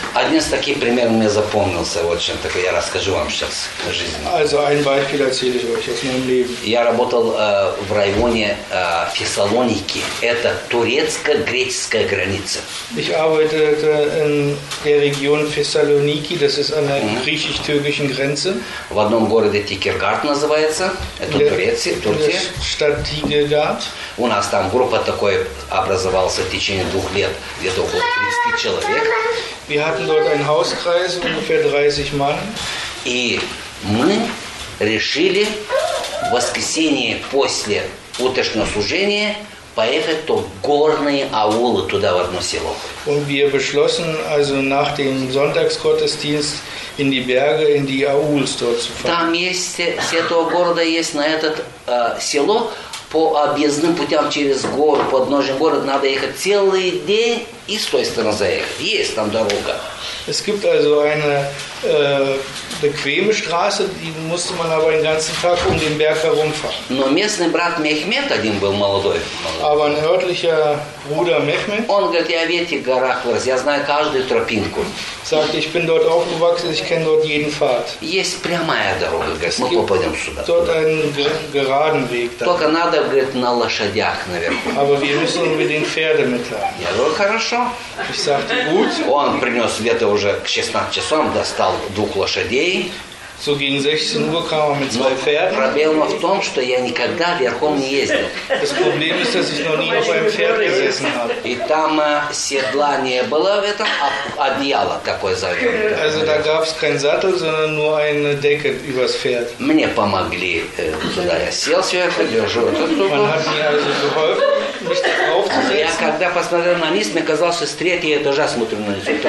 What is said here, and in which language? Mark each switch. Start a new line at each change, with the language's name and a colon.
Russian: Один из таких примеров мне запомнился, вот чем такой я расскажу вам сейчас в жизни.
German: Also ein Beispiel erzähle ich euch aus meinem Leben.
Russian: Я работал в районе Фессалоники, это турецко-греческая граница.
German: Ich arbeitete in der Region Thessaloniki, das ist an der griechisch-türkischen Grenze.
Russian: В одном городе Тикергард называется, это Турция, Турция.
German: Stadt Tikirdağ.
Russian: У нас там группа такой образовалась. В течение двух лет где-то около 30 человек.
German: Wir hatten dort einen Hauskreis, ungefähr 30 Mann.
Russian: И мы решили в воскресенье после утреннего служения поехать в горные аулы туда в одно село.
German: Und wir beschlossen also nach dem Sonntagsgottesdienst in die Berge, in die Aulen dort zu fahren.
Russian: Там есть с этого города есть на этот село. По объездным путям через гору, по подножию города надо ехать целый день и с той стороны заехать. Есть там дорога.
German: Es gibt also eine bequeme Straße, die musste man aber den ganzen Tag um den Berg herumfahren.
Russian: Но местный брат Мехмед один был молодой.
German: Aber ein örtlicher Bruder Mehmet.
Russian: Он говорит, я в этих горах вырос, я знаю каждую тропинку.
German: Sagt, ich bin dort aufgewachsen, ich kenne dort jeden Pfad.
Russian: Есть прямая дорога, говорит, мы попадем сюда.
German: Dort einen geraden Weg.
Russian: Там. Только надо, говорит, на лошадях наверху.
German: Aber wir müssen unbedingt Pferde mitnehmen.
Russian: Я говорю, хорошо.
German: Ich sagte, gut.
Russian: Он принес где-то уже к 16 часам достал двух лошадей.
German: So gegen 16 Uhr kam er mit zwei Pferden.
Russian: Проблема в том, что я никогда верхом не ездил.
German: Das Problem ist, dass ich noch nie auf einem Pferd gesessen habe.
Russian: И там седла не было в этом, а одеяло такое завернутое.
German: Also da gab es keinen Sattel, sondern nur eine Decke übers Pferd.
Russian: Мне помогли, когда я сел сверху, держу эту штуку.
German: Man hat mir also geholfen.
Russian: Я когда посмотрел на низ, мне казалось, что с третьего этажа смотрю на низ.